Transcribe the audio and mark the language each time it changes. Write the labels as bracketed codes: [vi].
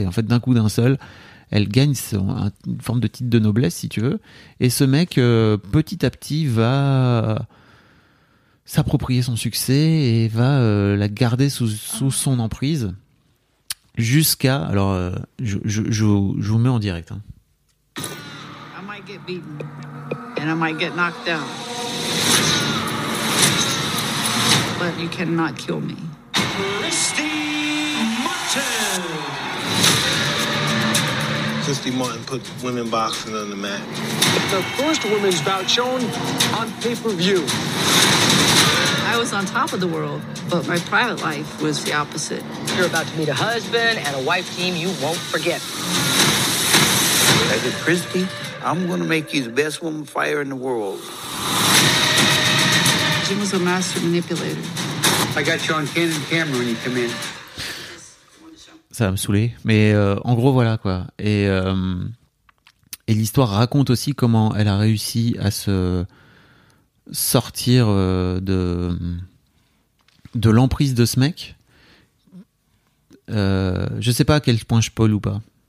[fr] Et en fait, d'un coup, d'un seul, elle gagne une forme de titre de noblesse, si tu veux. Et ce mec, petit à petit, va s'approprier son succès et va la garder sous son emprise jusqu'à... Alors, je vous mets en direct. Hein. [en] I might get beaten and I might get knocked down. But you cannot kill me. Christy Martin! Christy Martin put women boxing on the mat. The first women's bout shown on pay-per-view. I was on top of the world, but my private life was the opposite. You're about to meet a husband and a wife team you won't forget. I said, Christy, I'm going to make you the best woman fighter in the world. Jim was a master manipulator. I got you on Canon camera when you come in. [fr] Ça va me saouler. Mais en gros, voilà quoi. Et l'histoire raconte aussi comment elle a réussi à se sortir de l'emprise de ce mec. Je sais pas à quel point je spoil ou pas.